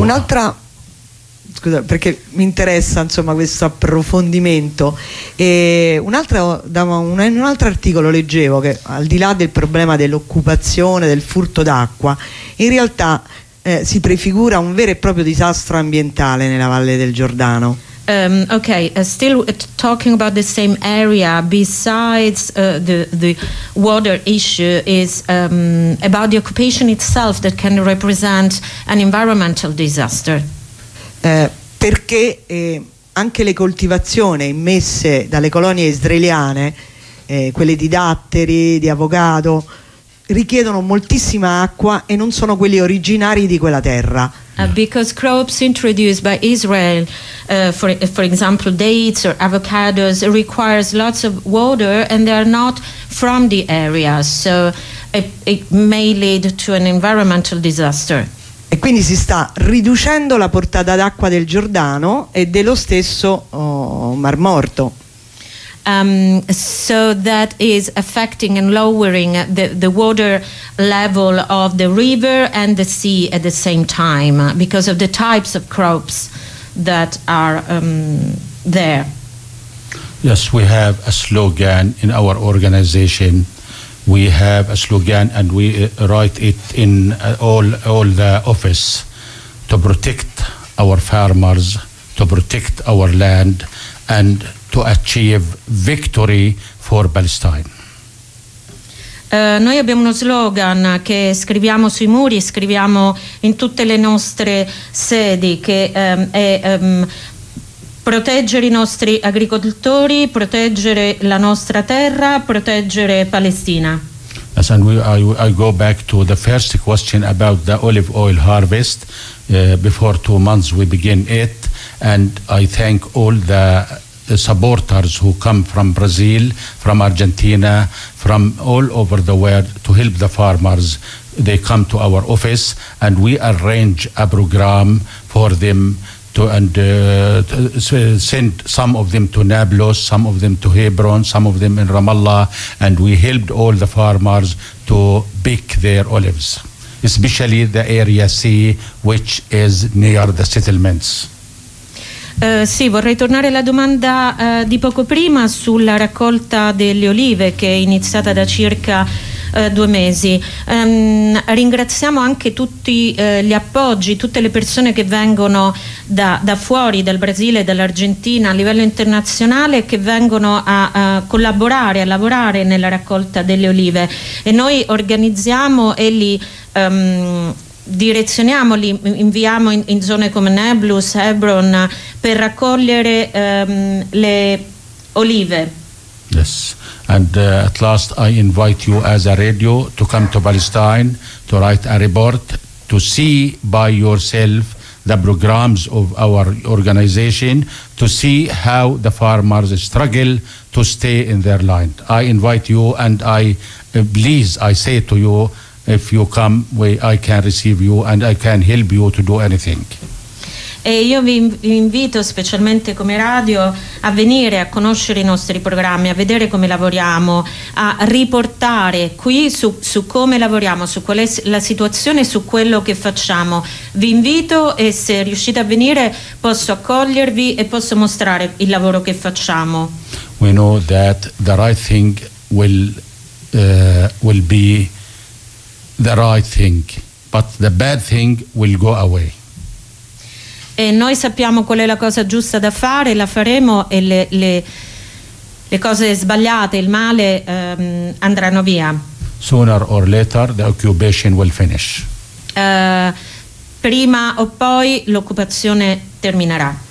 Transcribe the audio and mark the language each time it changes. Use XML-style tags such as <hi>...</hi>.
<it>Un'altra, scusa, perché mi interessa insomma questo approfondimento, e un altro articolo leggevo che al di là del problema dell'occupazione, del furto d'acqua, in realtà si prefigura un vero e proprio disastro ambientale nella Valle del Giordano.</it> <en>Still talking about the same area, besides the water issue, is about the occupation itself that can represent an environmental disaster.</en> <it>Perché anche le coltivazioni immesse dalle colonie israeliane, quelle di datteri, di avocado, richiedono moltissima acqua e non sono quelli originari di quella terra.</it> <en>Because crops introduced by Israel, for example dates or avocados, requires lots of water and they are not from the area, so it may lead to an environmental disaster.</en> <it>E quindi si sta riducendo la portata d'acqua del Giordano e dello stesso Mar Morto.</it> <en>So that is affecting and lowering the water level of the river and the sea at the same time because of the types of crops that are there. Yes, we have a slogan in our organization. We have a slogan and we write it in all the office: to protect our farmers, to protect our land, and to achieve victory for Palestine.</en> <it>Noi abbiamo uno slogan che scriviamo sui muri, scriviamo in tutte le nostre sedi, che è proteggere i nostri agricoltori, proteggere la nostra terra, proteggere Palestina.</it> <en>Yes, and I go back to the first question about the olive oil harvest. Before 2 months we begin it, and I thank all the supporters who come from Brazil, from Argentina, from all over the world to help the farmers. They come to our office and we arrange a program for them to send some of them to Nablus, some of them to Hebron, some of them in Ramallah, and we helped all the farmers to pick their olives, especially the area C, which is near the settlements.</en> <it>Sì, vorrei tornare alla domanda di poco prima sulla raccolta delle olive che è iniziata da circa 2 mesi. Ringraziamo anche tutti gli appoggi, tutte le persone che vengono da fuori, dal Brasile, dall'Argentina, a livello internazionale, che vengono a collaborare, a lavorare nella raccolta delle olive. E noi organizziamo e li direzioniamoli, inviamo in zone come Nablus, Hebron, per raccogliere le olive.</it> <en>Yes, and at last I invite you as a radio to come to Palestine to write a report, to see by yourself the programs of our organization, to see how the farmers struggle to stay in their land. I invite you and I say to you, if you come, I can receive you and I can help you to do anything.</en> <it>E io vi invito, specialmente come radio, a venire a conoscere i nostri programmi, a vedere come lavoriamo, a riportare qui su come lavoriamo, su qual è la situazione, su quello che facciamo. Vi invito e se riuscite a venire posso accogliervi e posso mostrare il lavoro che facciamo.</it> <en>We know that the right thing will will be the right thing, but the bad thing will go away.</en> <it>E noi sappiamo qual è la cosa giusta da fare, la faremo, e le cose sbagliate, il male andranno via.</it> <en>Sooner or later the occupation will finish.</en> <it>Prima o poi l'occupazione terminerà.</it>